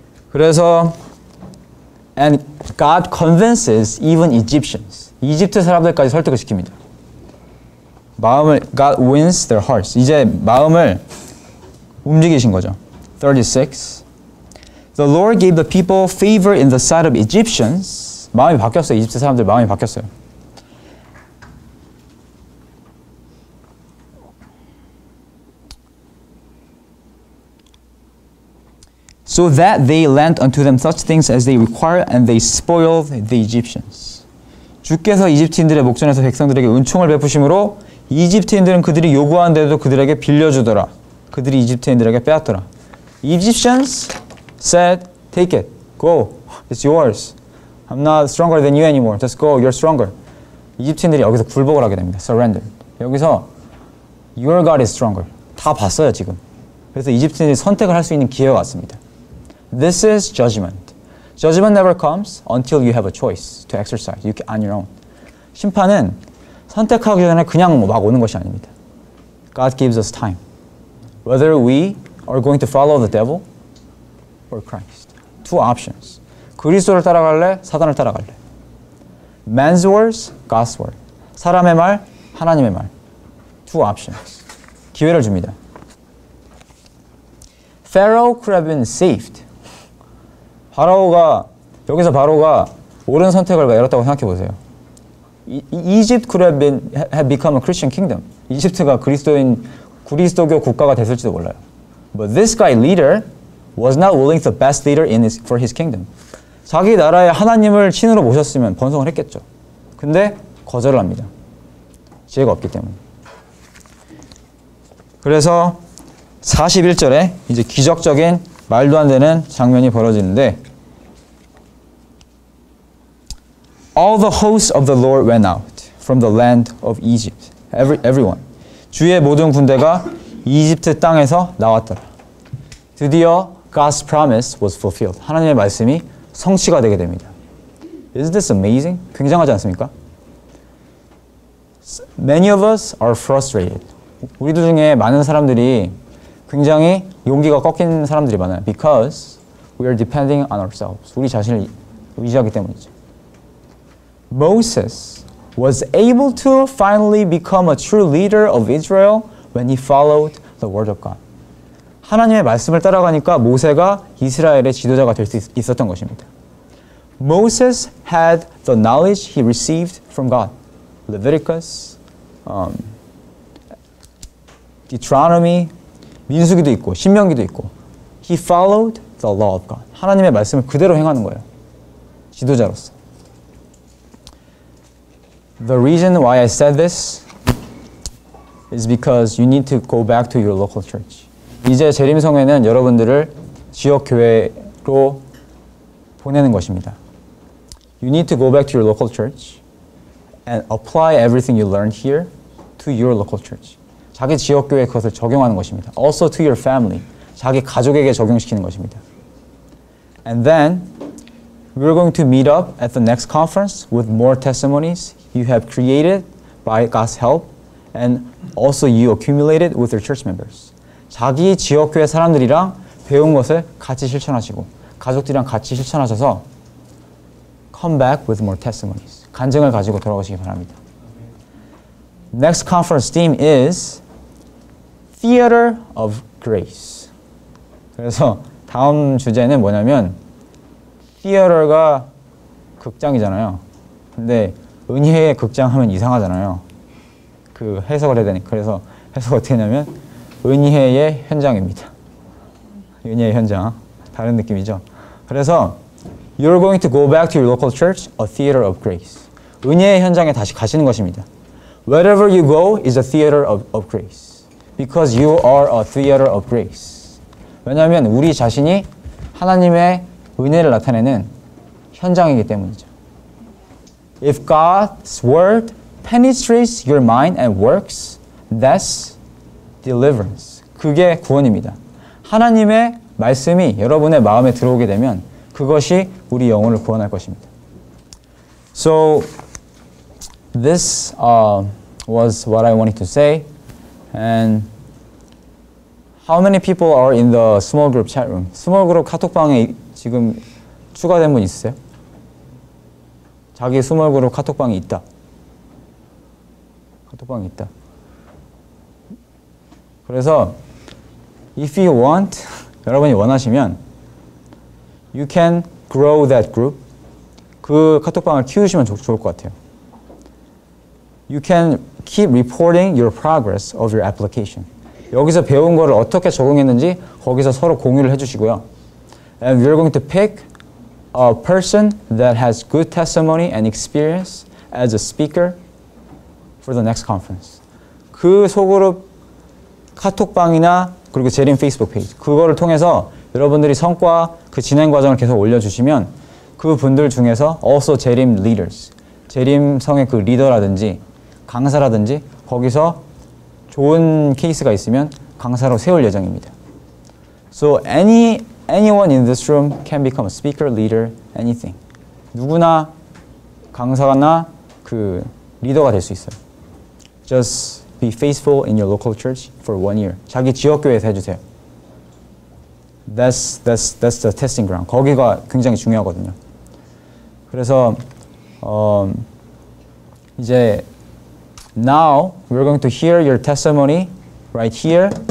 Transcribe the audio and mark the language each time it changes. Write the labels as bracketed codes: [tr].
[ko] 그래서 [en] and God convinces even Egyptians. [ko] 이집트 사람들까지 설득을 시킵니다. 마음을 [en] God wins their hearts. [ko] 이제 마음을 움직이신 거죠. 36. [en] The Lord gave the people favor in the sight of Egyptians. [ko] 마음이 바뀌었어요. 이집트 사람들 마음이 바뀌었어요. [en] So that they lent unto them such things as they required, and they spoiled the Egyptians. [ko] 주께서 이집트인들의 목전에서 백성들에게 은총을 베푸심으로 이집트인들은 그들이 요구한 대로 그들에게 빌려주더라. 그들이 이집트인들에게 빼앗더라. [en] Egyptians said, "Take it, go. It's yours. I'm not stronger than you anymore. Just go. You're stronger." [ko] 이집트인들이 여기서 굴복을 하게 됩니다. [en] Surrender. [ko] 여기서 [en] your God is stronger. [ko] 다 봤어요 지금. 그래서 이집트인들이 선택을 할 수 있는 기회가 왔습니다. [en] This is judgment. Judgment never comes until you have a choice to exercise you on your own. [ko] 심판은 선택하기 전에 그냥 막 오는 것이 아닙니다. [en] God gives us time. Whether we are going to follow the devil or Christ. Two options. [ko] 그리스도를 따라갈래? 사단을 따라갈래? [en] Man's words, God's word. [ko] 사람의 말, 하나님의 말. [en] Two options. [ko] 기회를 줍니다. [en] Pharaoh could have been saved. [ko] 바로가 여기서 바로가 옳은 선택을 내렸다고 생각해 보세요. [en] Egypt could have been had become a Christian kingdom. [ko] 이집트가 그리스도인 그리스도교 국가가 됐을지도 몰라요. [en] But this guy leader was not willing to be the best leader in his, for his kingdom. [ko] 자기 나라에 하나님을 신으로 모셨으면 번성을 했겠죠. 근데 거절을 합니다. 지혜가 없기 때문에. 그래서 41절에 이제 기적적인 말도 안 되는 장면이 벌어지는데 [en] All the hosts of the Lord went out from the land of Egypt. Everyone. [ko] 주의 모든 군대가 이집트 땅에서 나왔더라. 드디어 [en] God's promise was fulfilled. [ko] 하나님의 말씀이 성취가 되게 됩니다. [en] Is this amazing? [ko] 굉장하지 않습니까? [en] Many of us are frustrated. [ko] 우리들 중에 많은 사람들이 굉장히 용기가 꺾이는 사람들이 많아요. [en] Because we are depending on ourselves. [ko] 우리 자신을 의지하기 때문이죠. [en] Moses was able to finally become a true leader of Israel when he followed the word of God. [ko] 하나님의 말씀을 따라가니까 모세가 이스라엘의 지도자가 될 수 있었던 것입니다. [en] Moses had the knowledge he received from God. Leviticus, Deuteronomy, [ko] 민수기도 있고 신명기도 있고 [en] He followed the law of God. [ko] 하나님의 말씀을 그대로 행하는 거예요. 지도자로서. [en] The reason why I said this is because you need to go back to your local church. [ko] 이제 재림성회는 여러분들을 지역교회로 보내는 것입니다. [en] You need to go back to your local church and apply everything you learned here to your local church. [ko] 자기 지역교회에 그것을 적용하는 것입니다. [en] Also to your family. [ko] 자기 가족에게 적용시키는 것입니다. [en] And then We're going to meet up at the next conference with more testimonies you have created by God's help and also you accumulated with your church members. [ko] 자기 지역교회 사람들이랑 배운 것을 같이 실천하시고 가족들이랑 같이 실천하셔서 [en] come back with more testimonies. [ko] 간증을 가지고 돌아오시기 바랍니다. [en] Next conference theme is Theater of Grace. [ko] 그래서 다음 주제는 뭐냐면 Theater가 극장이잖아요. 근데 은혜의 극장 하면 이상하잖아요. 그 해석을 해야 되니까. 그래서 해석 어떻게 하냐면 은혜의 현장입니다. 은혜의 현장. 다른 느낌이죠. 그래서 [en] You're going to go back to your local church, a theater of grace. [ko] 은혜의 현장에 다시 가시는 것입니다. [en] Wherever you go is a theater of grace. Because you are a theater of grace. [ko] 왜냐하면 우리 자신이 하나님의 은혜를 나타내는 현장이기 때문이죠. [en] If God's word penetrates your mind and works, that's deliverance. [ko] 그게 구원입니다. 하나님의 말씀이 여러분의 마음에 들어오게 되면 그것이 우리 영혼을 구원할 것입니다. [en] So, this was what I wanted to say. And how many people are in the small group chat room? [ko] Small group 카톡방에 지금 추가된 분 있으세요? 자기 small group 카톡방이 있다. 카톡방이 있다. 그래서 [en] if you want, [ko] 여러분이 원하시면 [en] you can grow that group. [ko] 그 카톡방을 키우시면 좋을 것 같아요. [en] You can keep reporting your progress of your application. [ko] 여기서 배운 거를 어떻게 적용했는지 거기서 서로 공유를 해주시고요. [en] And we're going to pick a person that has good testimony and experience as a speaker for the next conference. [ko] 그 소그룹 카톡방이나 그리고 재림 페이스북 페이지 그거를 통해서 여러분들이 성과 그 진행 과정을 계속 올려주시면 그 분들 중에서 also 재림 leaders, 재림 성의 그 리더라든지 강사라든지 거기서 좋은 케이스가 있으면 강사로 세울 예정입니다. [en] So anyone in this room can become a speaker, leader, anything. [ko] 누구나 강사나 그 리더가 될 수 있어요. [en] Just be faithful in your local church for one year. [ko] 자기 지역교회에서 해주세요. [en] That's the testing ground. [ko] 거기가 굉장히 중요하거든요. 그래서 이제 [en] now we're going to hear your testimony right here.